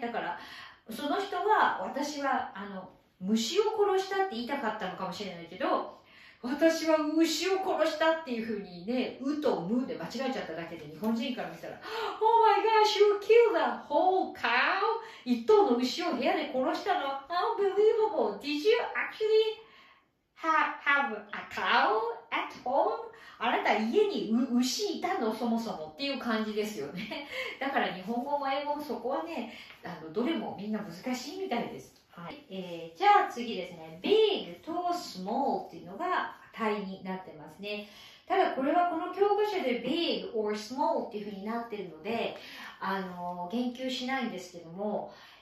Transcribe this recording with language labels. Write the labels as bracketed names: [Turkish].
[Japanese] だからその人は、私はあの虫を殺したって言いたかったのかもしれないけど、私は牛を殺したっていうふうにね、うとむで間違えちゃっただけで、日本人から見たら [English] Oh my gosh, you killed a whole cow? [Japanese] 一頭の牛を部屋で殺したの？ [English] Unbelievable! Did you actually have a cow at home? [Japanese] あなた家に牛いたの、そもそもっていう感じですよね。だから日本語も英語もそこはね、あのどれもみんな難しいみたいです、はい。じゃあ次ですね、 big と small っていうのが対になってますね。ただこれはこの教科書で big or small っていうふうになってるので、あの言及しないんですけども、